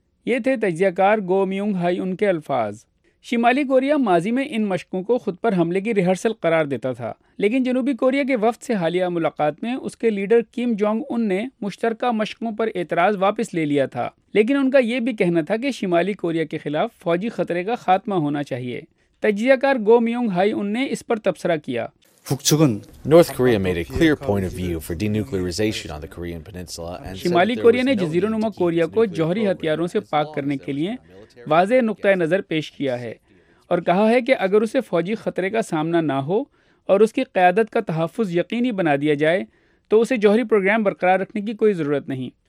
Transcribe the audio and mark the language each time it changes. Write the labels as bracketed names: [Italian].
[Urdu] یہ تھے تجزیہ کار گو میونگ ہائی ان کے الفاظ. شمالی کوریا ماضی میں ان مشقوں کو خود پر حملے کی ریہرسل قرار دیتا تھا، لیکن جنوبی کوریا کے وفد سے حالیہ ملاقات میں اس کے لیڈر کیم جونگ ان نے مشترکہ مشقوں پر اعتراض واپس لے لیا تھا، لیکن ان کا یہ بھی کہنا تھا کہ شمالی کوریا کے خلاف فوجی خطرے کا خاتمہ ہونا چاہیے. تجزیہ کار گو میونگ ہائی ان نے اس پر تبصرہ کیا. [English] North Korea made a clear point of view for denuclearization on the Korean peninsula and [Urdu] شمالی کوریا نے جزیرہ نما کوریا کو جوہری ہتھیاروں سے پاک کرنے کے لیے واضح نقطۂ نظر پیش کیا ہے اور کہا ہے کہ اگر اسے فوجی خطرے کا سامنا نہ ہو اور اس کی قیادت کا تحفظ یقینی بنا دیا جائے تو اسے جوہری پروگرام برقرار رکھنے کی کوئی ضرورت نہیں.